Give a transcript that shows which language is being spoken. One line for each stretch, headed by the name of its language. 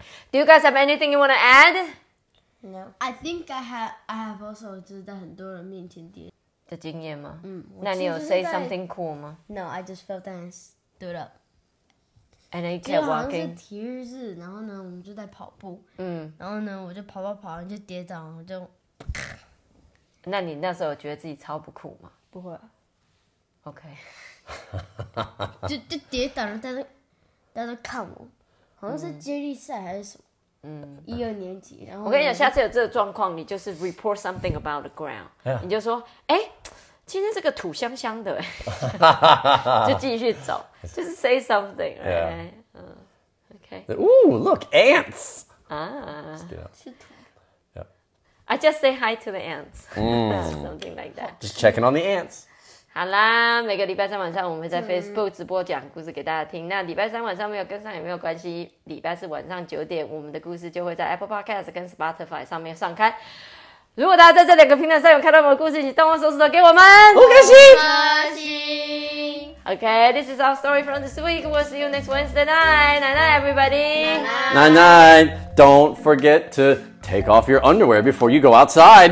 English: Do you guys have anything you want to add? No. I think I have also
Chinese: 就是在很多人面前跌的经验吗？那你有
English: say something cool
Chinese: 吗
English: ？No, I just fell down and stood up. And then you kept walking.
Chinese: 好像是体育日，然后呢，我们就在跑步。然后呢，我就跑，就跌倒，我就。那你那时候觉得自己超不酷吗？不会。
English: OK
Chinese: 就。就跌倒了，大家都看我，好像是接力赛还是什么。一二年级，然后我跟你讲，下次有这个状况，你就是
English: report something about the ground，
Chinese: 你就说，今天这个土香香的，就继续走。
English: Just say something, right? Yeah. Okay. Ooh, look, ants! Yeah. I just say hi to the ants. Something like that. Just checking on the ants.
Chinese: 好啦，每个礼拜三晚上我们会在 Facebook 直播讲故事给大家听。那礼拜三晚上没有跟上也没有关系，礼拜四晚上九点，我们的故事就会在 Apple Podcast 跟 Spotify 上面上开。如果大家在这两个平台上有看到我们的故事，请动动手指头给我们。不开心。
English: Okay, this is our story from this week. We'll see you next Wednesday night. Night night, everybody. Night night. Night night. Don't forget to take off your underwear before you go outside.